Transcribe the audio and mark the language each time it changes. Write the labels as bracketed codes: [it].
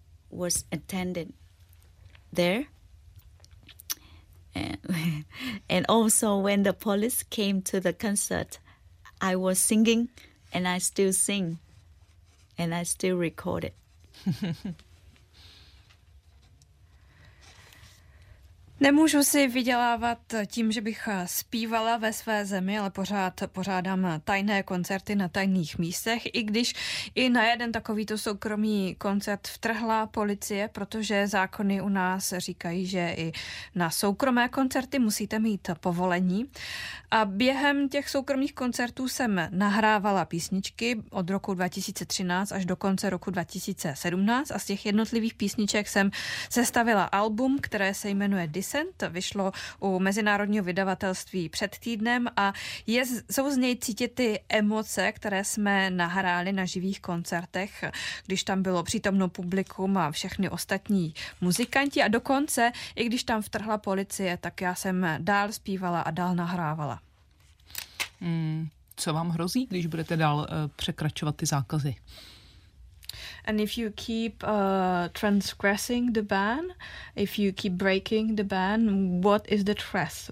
[en] Was attended there, and also when the police came to the concert, I was singing, and I still sing, and I still record it. [cs] Nemůžu si vydělávat tím, že bych zpívala ve své zemi, ale pořád pořádám tajné koncerty na tajných místech, i když i na jeden takovýto soukromý koncert vtrhla policie, protože zákony u nás říkají, že i na soukromé koncerty musíte mít povolení. A během těch soukromých koncertů jsem nahrávala písničky od roku 2013 až do konce roku 2017, a z těch jednotlivých písniček jsem sestavila album, které se jmenuje Descent, vyšlo u mezinárodního vydavatelství před týdnem, a jsou z něj cítit ty emoce, které jsme nahráli na živých koncertech, když tam bylo přítomno publikum a všechny ostatní muzikanti, a dokonce, i když tam vtrhla policie, tak já jsem dál zpívala a dál nahrávala. Co vám hrozí, když budete dál překračovat ty zákazy? [en] And if you keep transgressing the ban, if you keep breaking the ban, what is the threat?